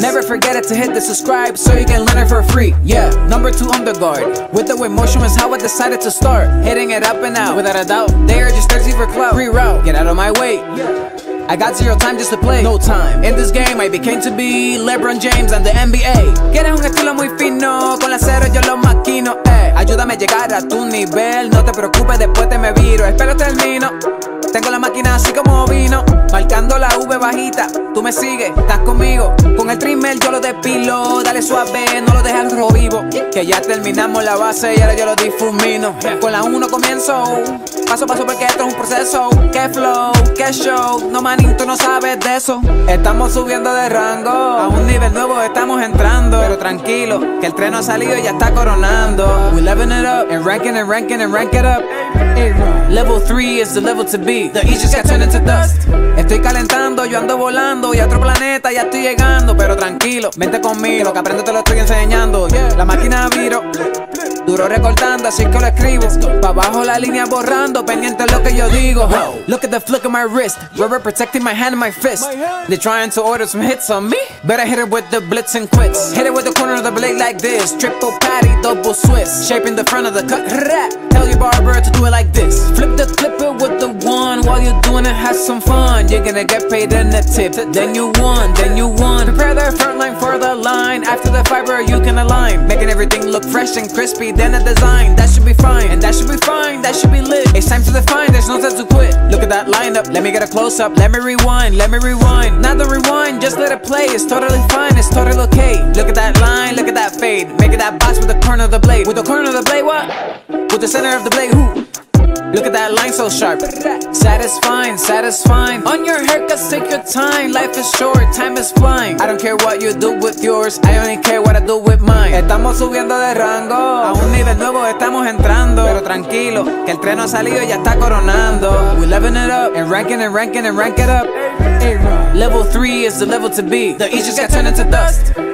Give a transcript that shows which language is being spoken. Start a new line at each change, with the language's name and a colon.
English: Never forget it to hit the subscribe so you can learn it for free. Yeah, number two on the guard. With the way motion is how I decided to start. Hitting it up and out, without a doubt. They are just thirsty for clout. Free route, get out of my way. I got zero time just to play. No time. In this game, I became to be LeBron James and the NBA.
Spanish: Quieres un estilo muy fino, con la cera yo lo maquino, eh. Ayúdame a llegar a tu nivel, no te preocupes, después te me viro. Espero termino. Tengo la máquina así como vino, marcando la V bajita. Tú me sigues, estás conmigo. Con el trimmer yo lo despilo, dale suave, no lo dejes rojo vivo. Que ya terminamos la base y ahora yo lo difumino. Con la 1 comienzo, paso a paso porque esto es un proceso. Qué flow, qué show, no manín, tú no sabes de eso. Estamos subiendo de rango, a un nivel nuevo estamos entrando. Pero tranquilo, que el tren ha salido y ya está coronando.
English: We leveling it up, and ranking and ranking and rank it up. Level 3 is the level to be. The east just got turned into dust.
Spanish: Estoy calentando, yo ando volando. Y a otro planeta ya estoy llegando. Pero tranquilo, vente conmigo. Lo que aprendo te lo estoy enseñando. La máquina viro. Duro recortando, así que lo escribo. Pa' abajo la línea borrando. Pendiente lo que yo digo.
English: Look at the flick of my wrist. Rubber protecting my hand and my fist. They trying to order some hits on me. Better hit it with the blitz and quits. Hit it with the corner of the blade like this. Triple patty, double Swiss. Shaping the front of the cut. Rap. Tell your barber to do it like this. Flip the clipper with the one. While you're doing it, have some fun. You're gonna get paid in the tip. Then you won, then you won. Prepare the front line for the line. After the fiber, you can align. Making everything look fresh and crispy. Then the design, that should be fine. And that should be fine, that should be lit. It's time to define, there's no time to quit. Look at that lineup, let me get a close up. Let me rewind, let me rewind. Not the rewind, just let it play. It's totally fine, it's totally okay. Look at that line, look at that fade. Making that box with the corner of the blade. With the corner of the blade, what? With the center of the blade, who? Look at that line so sharp. Satisfying, satisfying. On your haircuts, take your time. Life is short, time is flying. I don't care what you do with yours, I only care what I do with mine.
Spanish: Estamos subiendo de rango, a un nivel nuevo estamos entrando. Pero tranquilo, que el tren ha salido y ya está coronando.
English: We leveling it up, and ranking and ranking and rank it up. Level 3 is the level to be. The east just got turned into dust.